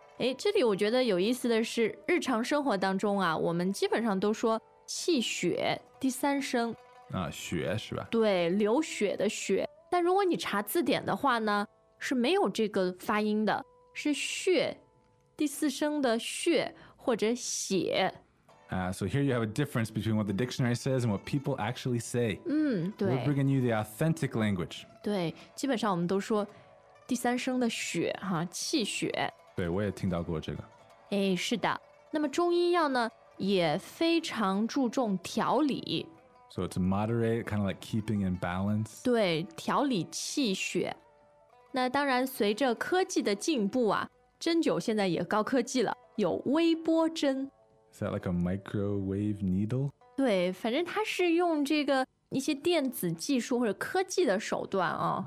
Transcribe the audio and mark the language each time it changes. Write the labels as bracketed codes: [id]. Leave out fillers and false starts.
[zh] 哎，这里我觉得有意思的是，日常生活当中啊，我们基本上都说气血第三声。啊，血是吧？对，流血的血。但如果你查字典的话呢，是没有这个发音的，是血，第四声的血或者血。 [en] So here you have a difference between what the dictionary says and what people actually say. [zh] 嗯，对。 [en] We're bringing you the authentic language. [zh] 对，基本上我们都说第三声的血哈，气血。对，我也听到过这个。哎，是的。那么中医药呢，也非常注重调理。 [en] So it's moderate, kind of like keeping in balance. [zh] 对，调理气血。那当然随着科技的进步啊，针灸现在也高科技了，有微波针。 [en] Is that like a microwave needle? [zh] 对，反正它是用这个一些电子技术或者科技的手段啊。